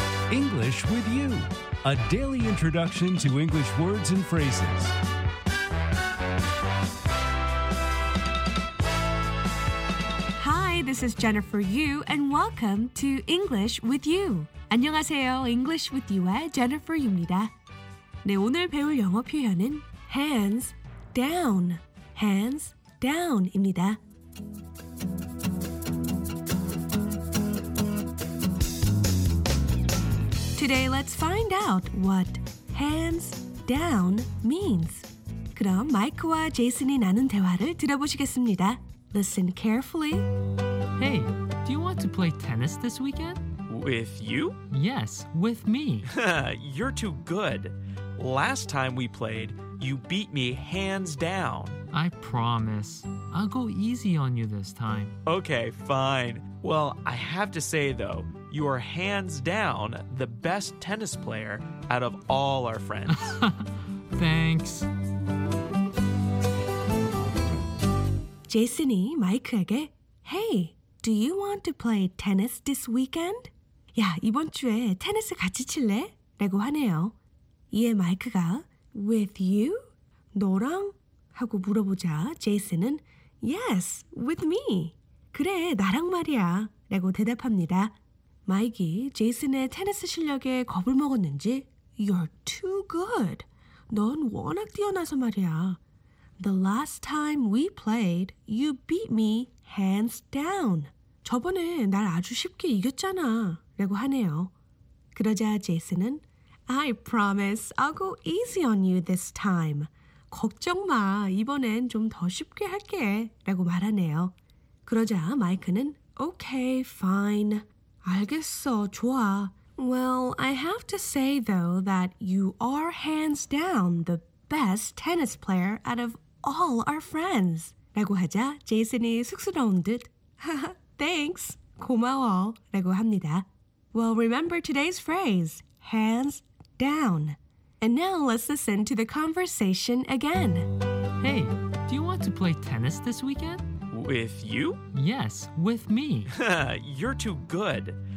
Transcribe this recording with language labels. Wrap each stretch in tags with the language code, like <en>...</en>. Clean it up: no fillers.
<en>English with you, a daily introduction to English words and phrases. Hi, this is Jennifer Yu, and welcome to English with you.</en> <ko>안녕하세요, English with you의 Jennifer Yu입니다. 네, 오늘 배울 영어 표현은 hands down, hands down입니다. 오늘</ko> <en>let's find out what hands down means.</en> <ko>그럼 마이크와 제이슨이 나눈 대화를 들어보시겠습니다.</ko> <en>Listen carefully. Hey, do you want to play tennis this weekend? With you? Yes, with me. You're too good. Last time we played, you beat me hands down. I promise. I'll go easy on you this time. Okay, fine. Well, I have to say though, you are hands down the best tennis player out of all our friends. Thanks. Jason</en> <ko>이 마이크에게</ko> <en>Hey, do you want to play tennis this weekend?</en> <ko>야, 이번 주에 테니스 같이 칠래? 라고 하네요. 이에 마이크가</ko> <en>With you?</en> <ko>너랑? 하고 물어보자 제이슨은</ko> <en>Yes, with me.</en> <ko>그래, 나랑 말이야. 라고 대답합니다. 마이키, 제이슨의 테니스 실력에 겁을 먹었는지</ko> <en>You're too good.</en> <ko>넌 워낙 뛰어나서 말이야.</ko> <en>The last time we played, you beat me hands down.</en> <ko>저번에 날 아주 쉽게 이겼잖아. 라고 하네요. 그러자 제이슨은</ko> <en>I promise I'll go easy on you this time.</en> <ko>걱정 마, 이번엔 좀 더 쉽게 할게. 라고 말하네요. 그러자 마이크는</ko> <en>Okay, fine.</en> <ko>알겠어, 좋아.</ko> <en>Well, I have to say though that you are hands down the best tennis player out of all our friends.</en> <ko>라고 하자 제이슨이 쑥스러운 듯</ko> <en>Thanks,</en> <ko>고마워. 라고 합니다.</ko> <en>Well, remember today's phrase, hands down. And now let's listen to the conversation again. Hey, do you want to play tennis this weekend? With you? Yes, with me. You're too good.</en>